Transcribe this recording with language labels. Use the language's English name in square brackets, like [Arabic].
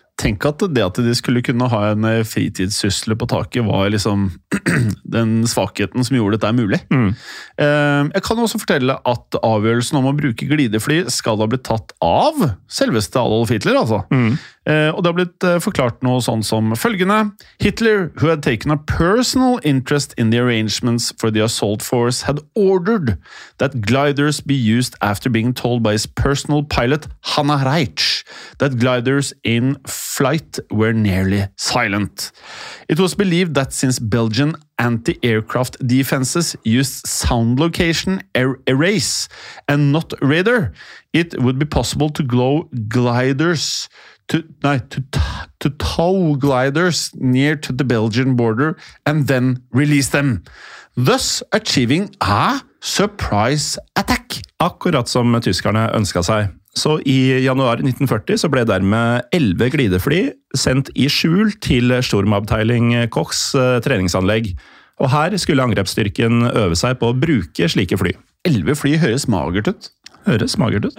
[Norwegian] Tenk at det at de skulle kunne ha en fritidssyssel på taket var liksom den svakheten som gjorde dette mulig. Mm. Jeg kan også fortelle at avgjørelsen om å bruke glidefly skal ha blitt tatt av selveste Adolf Hitler, altså. Mm. Og det har blitt forklart noe sånn som følgende. [English] Hitler, who had taken a personal interest in the arrangements for the assault force, had ordered that gliders be used after being told by his personal pilot, Hanna Reitsch, that gliders in flight were nearly silent. It was believed that since Belgian anti-aircraft defenses used sound location arrays and not radar, it would be possible to glow gliders to tow gliders near to the Belgian border and then release them, thus achieving a surprise attack. [Norwegian] Akkurat som tyskerne ønsket seg. Så i januar 1940 så ble dermed 11 glidefly sendt i skjul til Sturmabteilung Kochs treningsanlegg. Og her skulle angrepsstyrken øve seg på å bruke slike fly. 11 fly høres magert ut. Høres magert ut.